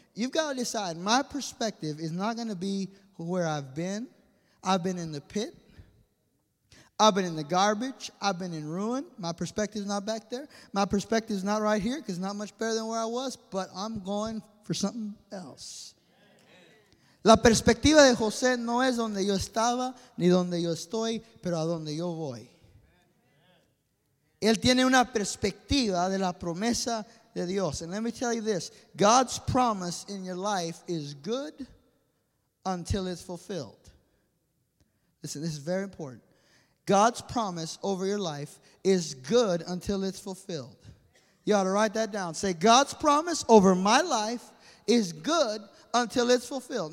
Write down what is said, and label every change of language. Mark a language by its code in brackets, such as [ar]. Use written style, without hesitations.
[en] You've got to decide, my perspective is not going to be where I've been. I've been in the pit. I've been in the garbage. I've been in ruin. My perspective is not back there. My perspective is not right here because it's not much better than where I was, but I'm going for something else. [es] La perspectiva de José no es donde yo estaba ni donde yo estoy, pero a donde yo voy. Él tiene una perspectiva de la promesa de Dios. [en] And let me tell you this. God's promise in your life is good until it's fulfilled. Listen, this is very important. God's promise over your life is good until it's fulfilled. You ought to write that down. Say, God's promise over my life is good until it's fulfilled.